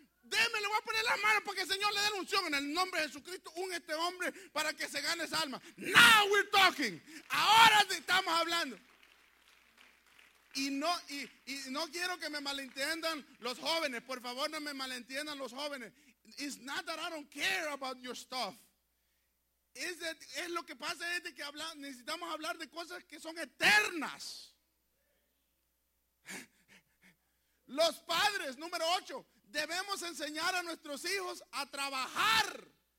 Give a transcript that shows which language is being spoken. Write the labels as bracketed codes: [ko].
[es] Déjeme, le voy a poner las manos para que el Señor le dé la unción en el nombre de Jesucristo. Un este hombre para que se gane esa alma. [en] Now we're talking. [es] Ahora estamos hablando. Y no quiero que me malentiendan los jóvenes. Por favor, no me malentiendan los jóvenes. [en] It's not that I don't care about your stuff. [es] Es lo que pasa es de que necesitamos hablar de cosas que son eternas. Los padres, número 8, debemos enseñar a nuestros hijos a trabajar.